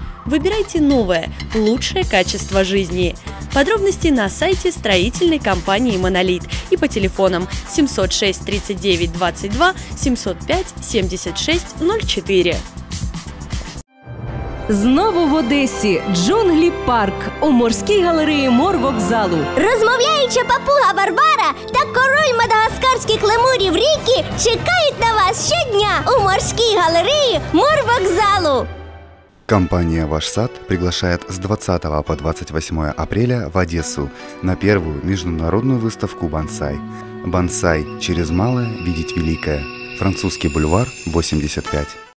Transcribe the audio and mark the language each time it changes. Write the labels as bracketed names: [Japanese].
[Russian] Выбирайте новое, лучшее качество жизни. Подробности на сайте строительной компании «Монолит» и по телефонам 706-39-22, 705-76-04. [Ukrainian] Знову в Одесі. Джунглі парк. У морській галереї мор вокзалу. Розмовляюча папуга Барбара та король мадагаскарських лемурів Рікі чекають на вас щодня у морській галереї мор вокзалу. [Russian] Компания «Ваш сад» приглашает с 20 по 28 апреля в Одессу на первую международную выставку «Бонсай». «Бонсай. Через малое видеть великое». Французский бульвар, 85.